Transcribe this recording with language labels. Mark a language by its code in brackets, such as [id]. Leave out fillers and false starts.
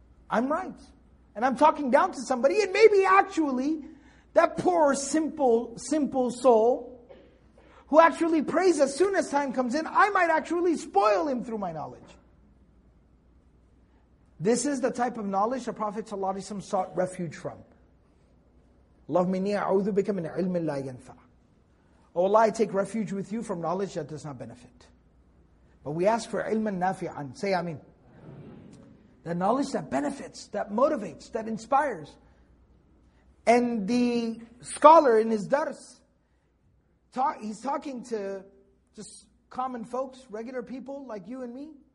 [en] And I'm talking down to somebody, and maybe actually, that poor, simple soul, who actually prays as soon as time comes in, I might actually spoil him through my knowledge. This is the type of knowledge the Prophet ﷺ sought refuge from. [ar] اللهم إني أعوذ بك من علم لا ينفع. [en] O Allah, I take refuge with you from knowledge that does not benefit. But we ask for [ar] علما نافعا. [en] Say Ameen. The knowledge that benefits, that motivates, that inspires. And the scholar in his dars, he's talking to just common folks, regular people like you and me.